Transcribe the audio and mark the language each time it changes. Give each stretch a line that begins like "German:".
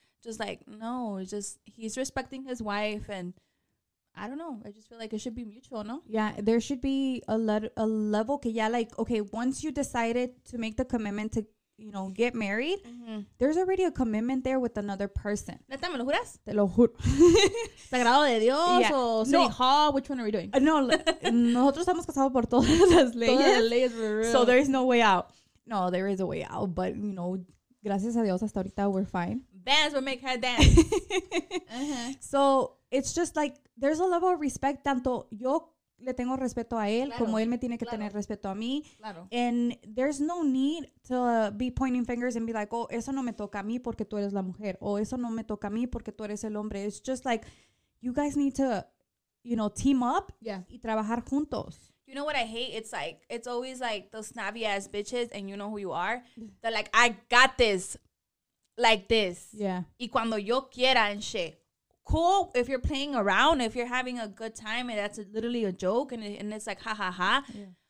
English: just like, no, it's just he's respecting his wife. And I don't know. I just feel like it should be mutual, no? Yeah, there should be a level. Okay, yeah, like, okay, once you decided to make the commitment to, you know, get married, mm-hmm. there's already a commitment there with another person.
Spanish: ¿Neta, me lo juras? Te lo juro. Sagrado de Dios yeah. o City no. Hall, which one are we doing? No, nosotros estamos casados por todas las leyes. Todas las leyes,
English: for real. So there is no way out. No, there is a way out, but, you know,
Spanish: gracias a Dios, hasta ahorita
English: we're fine. Dance, we'll make her dance.
Spanish: uh-huh.
English: So it's just like, there's a level of respect,
Spanish: tanto yo le tengo respeto a él, claro. como él me tiene que claro. tener respeto a mí. Claro.
English: And there's no need to be pointing fingers and be like, oh,
Spanish: eso no me toca a mí porque tú eres la mujer. O eso no me toca a mí porque tú eres el hombre.
English: It's just like, you guys need to, you know, team up yeah.
Spanish: y trabajar juntos.
English: You know what I hate? It's like, it's always like those snobby ass bitches and you know who you are. They're like, I got this. Like this. Yeah.
Spanish: Y cuando yo quiera
English: and shit. Cool, if you're playing around, if you're having a good time, and that's literally a joke, and it's like, ha, ha, ha. Yeah.